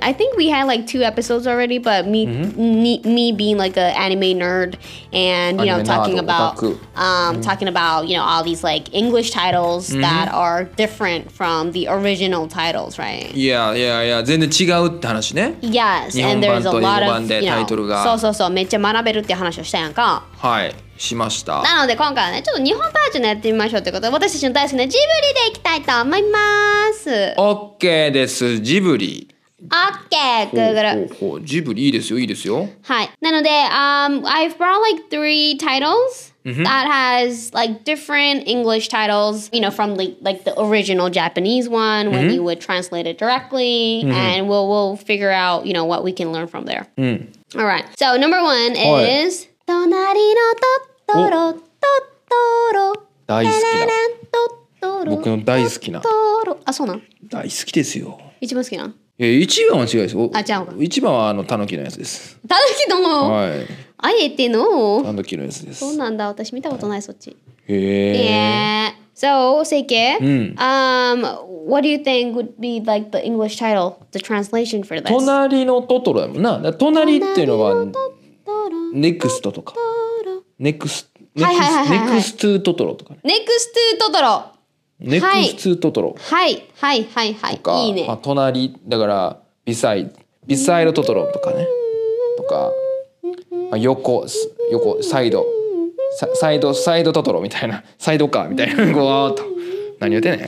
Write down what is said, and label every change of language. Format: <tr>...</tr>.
<en>I think we had like two episodes already, but me being like an anime nerd and, you know, talking about, you know, all these like English titles that are different from the original titles, right? Yeah.</en> <ja>全然違うって話ね。</ja> <en>Yes, and there's a lot of, you know,</en> <ja>そう、めっちゃ学べるって話をしたやんか。はい。しました。なので今回はねちょっと日本バージョンでやってみましょうということで、私たちの大好きなジブリでいきたいと思います。 OK です。ジブリ</ja> <en>OK Google</en> <ja>ジブリいいですよ。はい。なので</ja> <en>I've brought like three titles、mm-hmm. that has like different English titles, you know, from like the original Japanese one when、mm-hmm. you would translate it directly、mm-hmm. and we'll figure out, you know, what we can learn from there、 mm-hmm. Alright, so number one is、</en> <ja>はい、隣のトトロ、トトロ、大好きだ。レレレン、トトロ、僕の大好きな。トトロ、あ、そうなん。大好きですよ。一番好きな。え、一番は違うです。あ、じゃあ。一番はあのタヌキのやつです。タヌキの。はい。あえてのタヌキのやつです。そうなんだ。私見たことない、はい、そっち。へえ。</ja> <en>So, Seike,、うん、what do you think would be like the English title, the translation for this?</en> <ja>隣のトトロやもんな。隣っていうのは。ネクストとか、ネクス、ネクストトトロとか、ネクストトトロ、ネクストトトロ、はいはいはいはい、とか、いいね、まあ、隣だからビサイドトトロとかね、とか、まあ、横サイド、サイドトトロみたいな、サイドカーみたいな、ごわっと、何言ってんね、</ja>